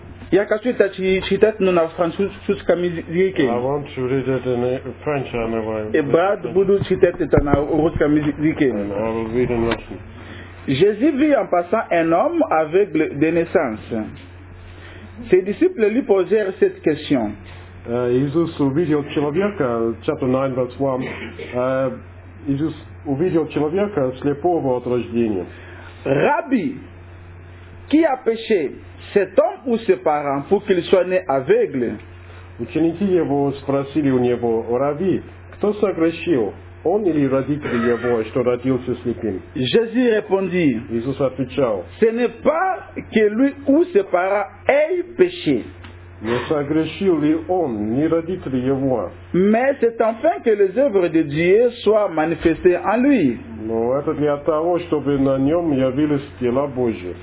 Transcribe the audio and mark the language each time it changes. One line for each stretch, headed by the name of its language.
Russian: Я хочу это читать на французском языке.
English: I want to read it in French anyway.
Russian: И брат буду читать это на русском языке.
English: I will read in Russian.
French: Jésus vit en passant un homme aveugle de naissance. Ses disciples lui posèrent cette question.
Russian: Иисус увидел человека,
English: chapter 9, verse 1.
Russian: Иисус увидел человека слепого от рождения.
French: Rabbi, qui a péché, cet homme ou ses parents, pour qu'il soit né aveugle?
Russian: Ученики его спросили у него: Rabbi, кто согрешил, он или родители его, что родился слепым?
French: Jésus répondit.
Russian: Иисус отвечал.
French: Ce n'est pas que lui ou ses parents aient péché.
Russian: Не согрешил ли он, ни родители его?
French: Mais c'est enfin que les œuvres de Dieu soient manifestées en lui.
Russian: Но это для того, чтобы на нем явились дела Божьи.